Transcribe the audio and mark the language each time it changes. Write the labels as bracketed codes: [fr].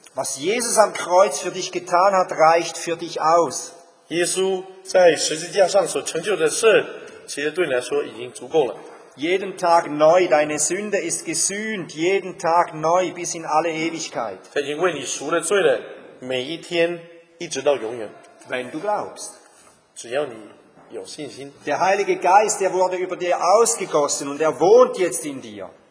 [de] Was Jesus am Kreuz für dich getan hat, reicht für dich aus. [zh] 耶稣在十字架上所成就的事，其实对你来说已经足够了。 [de] Jeden Tag neu, deine Sünde ist gesühnt. Jeden Tag neu, bis in alle Ewigkeit. [zh] 他已经为你赎了罪了，每一天，一直到永远。 [de] Wenn du glaubst. [zh] 只要你。 [de] Der Heilige Geist, der wurde über dir ausgegossen und er wohnt jetzt in dir.